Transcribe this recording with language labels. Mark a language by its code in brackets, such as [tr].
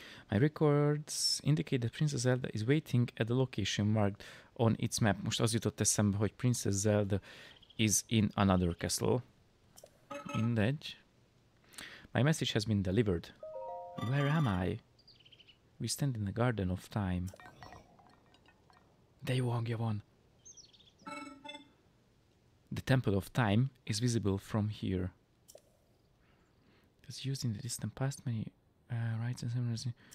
[en] My records indicate that Princess Zelda is waiting at the location marked on its map. [hu] Most az jutott eszembe, hogy [en] Princess Zelda is in another castle. [hu] Mindegy. [en] My message has been delivered. Where am I? We stand in the garden of time. [hu] De jó hangja van. [en] The temple of time is visible from here. It's used in the distant past many rites and ceremonies.